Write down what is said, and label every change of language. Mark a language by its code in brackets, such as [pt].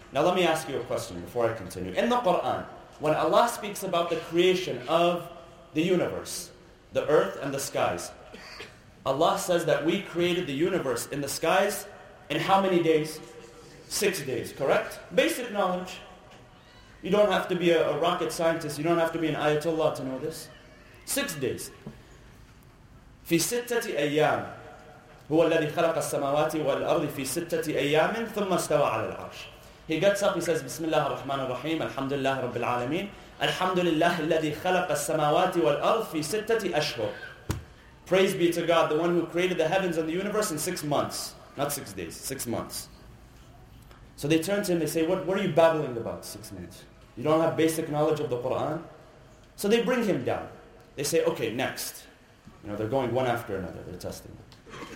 [en] Now let me ask you a question before I continue. In the Qur'an, when Allah speaks about the creation of the universe, the earth and the skies, Allah says that we created the universe in the skies in how many days? 6 days, correct? Basic knowledge. You don't have to be a rocket scientist. You don't have to be an ayatollah to know this. 6 days. [ar] في ستة أيام هو الذي خلق السماوات والأرض في ستة أيام ثم استوى على العرش. [en] He gets up, he says, [ar] بسم الله الرحمن الرحيم الحمد لله رب العالمين الحمد لله الذي خلق السماوات والأرض في ستة أشهر. [en] Praise be to God, the one who created the heavens and the universe in 6 months. Not 6 days, 6 months. So they turn to him, they say, what are you babbling about 6 minutes? You don't have basic knowledge of the Quran? So they bring him down. They say, okay, next. You know, they're going one after another, they're testing them.